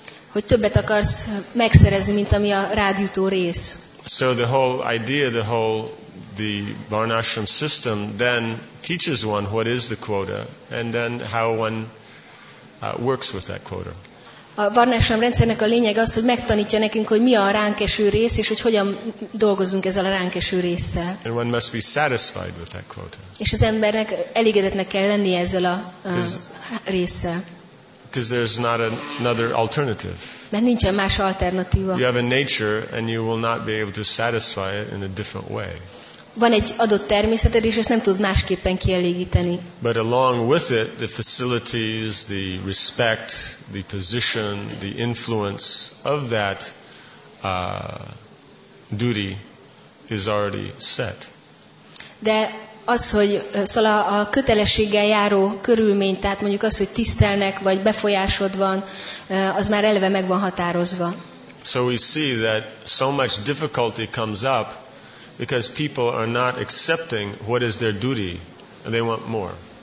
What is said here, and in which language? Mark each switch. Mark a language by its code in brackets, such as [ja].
[hu] Hogy többet akarsz megszerezni, mint ami a rád jutó rész. [en] So the whole idea, the varnashram system then teaches one what is the quota and then how one works with that quota. [hu] A varnásám rendszernek a lényeg az, hogy megtanítja nekünk, hogy mi a ránk eső rész, és hogy hogyan dolgozunk ezzel a ránk eső résszel. [en] And one must be satisfied with that quota. [hu] És az embernek elégedetnek kell lennie ezzel a résszel. [en] Because there's not another alternative. [hu] Mert nincsen más alternatíva. [en] You have a nature, and you will not be able to satisfy it in a different way. [hu] Van egy adott természeted, és ezt nem tud másképpen kielégíteni. [en] But along with it, the facilities, the respect, the position, the influence of that duty is already set. [hu] De az, hogy szóval a kötelességgel járó körülmény, tehát mondjuk az, hogy tisztelnek, vagy befolyásod van, az már eleve meg van határozva. [en] So we see that so much difficulty comes up, because people are not accepting what is their duty and they want more.